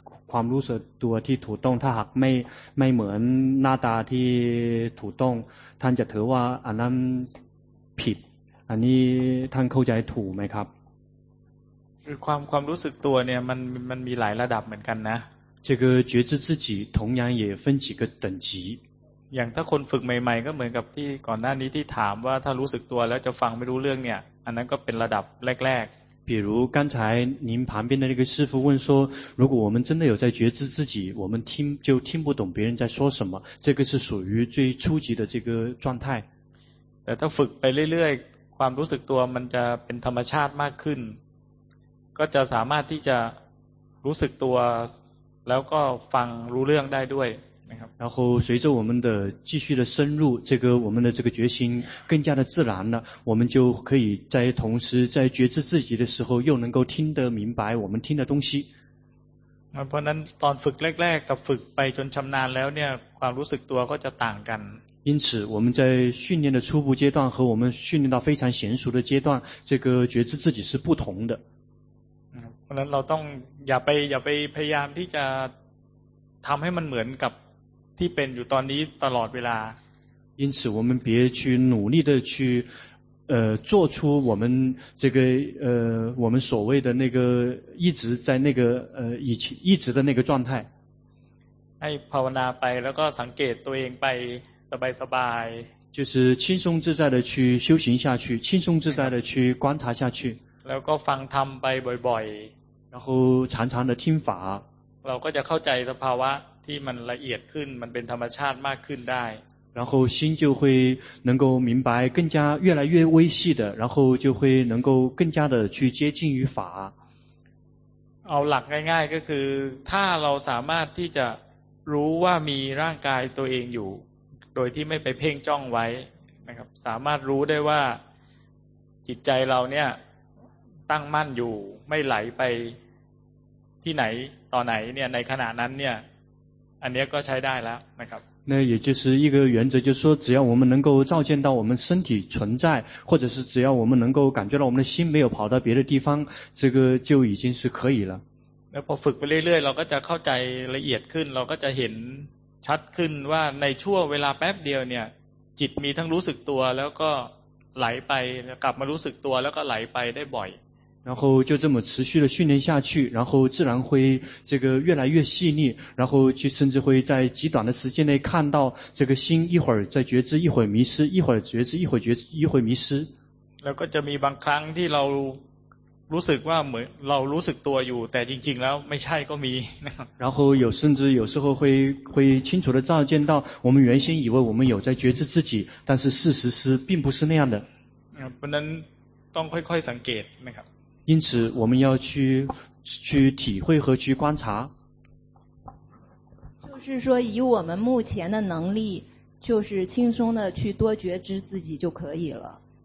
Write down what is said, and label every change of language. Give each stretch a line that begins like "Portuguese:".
Thai: ความรู้สึกตัวที่ถูกต้องถ้าหากไม่เหมือนหน้าตาที่ถูกต้องท่านจะถือว่าอันนั้นผิดอันนี้ท่านเข้าใจถูกไหมครับ คือความรู้สึกตัวเนี่ยมันมีหลายระดับเหมือนกันนะ
Chinese: 这个觉知自己同样也分几个等级
Thai: อย่างถ้าคนฝึกใหม่ๆก็เหมือนกับที่ก่อนหน้านี้ที่ถามว่าถ้ารู้สึกตัวแล้วจะฟังไม่รู้เรื่องเนี่ยอันนั้นก็เป็นระดับแรก
Chinese: ๆ比如刚才您旁边的那个师父问说如果我们真的有在觉知自己我们听就听不懂别人在说什么这个是属于最初级的这个状态
Thai: แต่ถ้าฝึกไปเรื่อยๆความรู้สึกตัวมันจะเป็นธรรมชาติมากขึ้นก็จะสามารถที่จะรู้สึกตัวแล้วก็ฟังรู้เรื่องได้ด้วย
Chinese: 然后随着我们的继续的深入，这个我们的这个决心更加的自然了，我们就可以在同时在觉知自己的时候又能够听得明白我们听的东西。
Thai: เพราะนั้นตอนฝึกแรกๆกับฝึกไปจนชำนาญแล้วเนี่ยความรู้สึกตัวก็จะต่างกัน
Chinese: 因此我们在训练的初步阶段和我们训练到非常娴熟的阶段，这个觉知自己是不同的。
Thai: เพราะนั้นเราต้องอย่าไปพยายามที่จะทำให้มันเหมือนกับที่เป็นอยู่ตอนนี้ตลอดเวลา
Chinese: 因此我们别去努力的去做出我们这个我们所谓的那个一直在那个以前一直的那个状态。
Thai: ให้ภาวนาไปแล้วก็สังเกตตัวเองไปสบาย
Chinese: ๆ就是轻松自在的去修行下去，轻松自在的去观察下去。
Thai: แล้วก็ฟังธรรมไปบ่อย
Chinese: ๆ然后常常的听法。
Thai: เราก็จะเข้าใจสภาวะที่มันละเอียดขึ้นมันเป็นธรรมชาติมากขึ้นได้
Chinese: 然后心就会能够明白更加越来越微细的，然后就会能够更加的去接近于法。
Thai: เอาหลักง่ายๆก็คือถ้าเราสามารถที่จะรู้ว่ามีร่างกายตัวเองอยู่โดยที่ไม่ไปเพ่งจ้องไว้นะครับสามารถรู้ได้ว่าจิตใจเราเนี่ยตั้งมั่นอยู่ไม่ไหลไปที่ไหนต่อไหนเนี่ยในขณะนั้นเนี่ยอันนี้ก็ใช้ได้แล้วนะครับ
Chinese: 那也就是一个原则，就是说只要我们能够照见到我们身体存在，或者是只要我们能够感觉到我们的心没有跑到别的地方，这个就已经是可以了。
Thai: แล้วพอฝึกไปเรื่อยๆเราก็จะเข้าใจละเอียดขึ้นเราก็จะเห็นชัดขึ้นว่าในช่วงเวลาแป๊บเดียวเนี่ยจิตมีทั้งรู้สึกตัวแล้วก็ไหลไปกลับมารู้สึกตัวแล้วก็ไหลไปได้บ่อย
Chinese: 然后就这么持续的训练下去，然后自然会这个越来越细腻，然后就甚至会在极短的时间内看到这个心一会儿在觉知，一会儿迷失，一会儿觉知，一会儿觉知，一会儿迷失。
Thai: แล้วก็จะมีบางครั้งที่เรารู้สึกว่าเหมือนเรารู้สึกตัวอยู่แต่จริงๆแล้วไม่ใช่ก็มี
Chinese: 然后有甚至有时候会清楚的照见到我们原先以为我们有在觉知自己，但是事实是并不是那样的。不能
Thai: ต้องค่อยๆสังเกตนะครับ
Chinese: 因此我们要去体会和去观察。就是说以我们目前的能力，就是轻松的去多觉知自己就可以了。